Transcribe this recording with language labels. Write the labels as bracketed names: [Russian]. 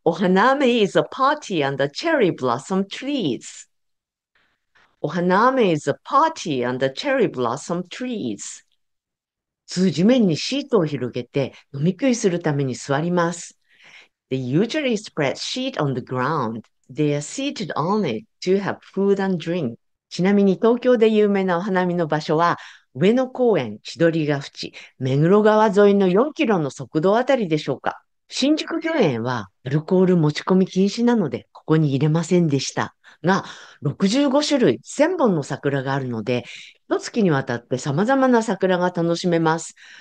[English] お花見 is a party under cherry blossom treesお花見 is a party under cherry blossom trees。 [Japanese] 通地面にシートを広げて飲み食いするために座ります。 [English] They usually spread sheet on the ground. They are seated on it to have food and drink. [Japanese] ちなみに東京で有名なお花見の場所は、上野公園、千鳥ヶ淵、目黒川沿いの4キロの側道あたりでしょうか。新宿御苑はアルコール持ち込み禁止なので、ここに入れませんでしたが、65種類、1000本の桜があるので、一月にわたって様々な桜が楽しめます。